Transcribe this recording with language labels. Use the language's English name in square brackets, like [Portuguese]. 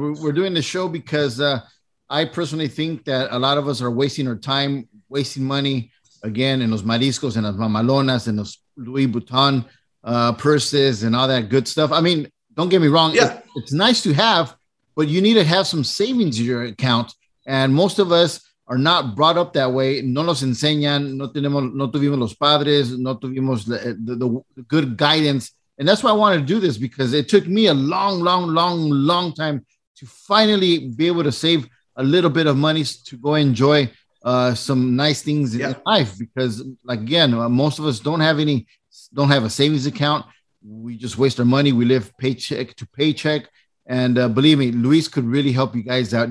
[English] We're doing the show because I personally think that a lot of us are wasting our time, wasting money, again, in [Spanish] los mariscos [English] and [Spanish] las mamalonas [English] and those Louis Vuitton purses and all that good stuff. I mean, don't get me wrong. Yeah. It's nice to have, but you need to have some savings in your account. And most of us are not brought up that way. [Spanish] No nos enseñan, no tuvimos los padres, no tuvimos [English] the good guidance. And that's why I wanted to do this, because it took me a long time to finally be able to save a little bit of money to go enjoy some nice things in life. Because, like, again, most of us don't have a savings account. We just waste our money. We live paycheck to paycheck. And believe me, Luis could really help you guys out.